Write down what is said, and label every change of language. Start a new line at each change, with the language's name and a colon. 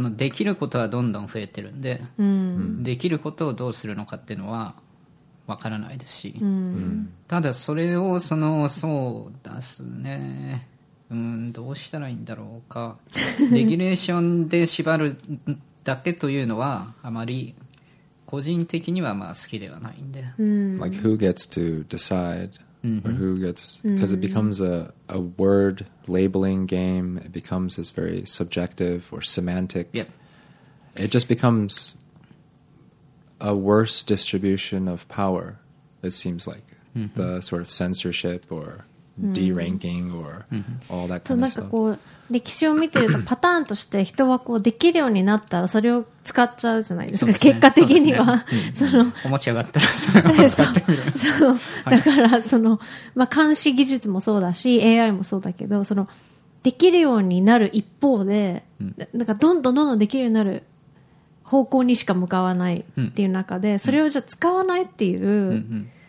Japanese: のできることはどんどん増えてるんで、できることをどうするのかっていうのは分からないですし、ただそれをそのそうですね、どうしたらいいんだろうか。レギュレーションで縛るだけというのはあまり個人的にはまあ好きではないんで、
English: Like who gets to decide? Or who gets, because it becomes a word labeling game, it becomes this very subjective or semantic. It just becomes a worse distribution of power, it seems like. The sort of censorship or deranking or all that kind of stuff.
Japanese: So, なんかこう歴史を見てるとパターンとして人はこうできるようになったらそれを使っちゃうじゃないですか、結果的にはそのお持ち上がったらそれを使ってみる。そう、だからその、まあ、監視技術もそうだし AI もそうだけど、そのできるようになる一方で、なんかどんどんどんどんできるようになる方向にしか向かわないっていう中で、それをじゃあ使わないっていう、